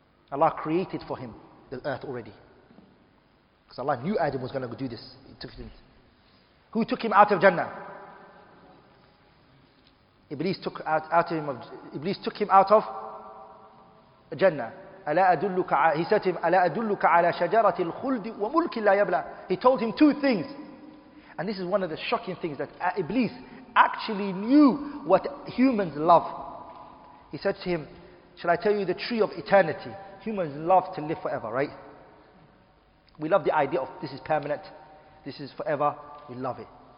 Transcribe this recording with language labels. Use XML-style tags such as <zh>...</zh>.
<en>Allah created for him the earth already. Because Allah knew Adam was going to do this. He took it. Who took him out of Jannah? Iblis took him out of Jannah. He said to him,</en> <ar>أَلَا أَدُلُّكَ عَلَى شَجَرَةِ الْخُلْدِ وَمُلْكٍ لَا يَبْلَى.</ar> <en>He told him two things. And this is one of the shocking things, that Iblis actually knew what humans love. He said to him, shall I tell you the tree of eternity? Humans love to live forever, right? We love the idea of this is permanent, this is forever, we love it.</en>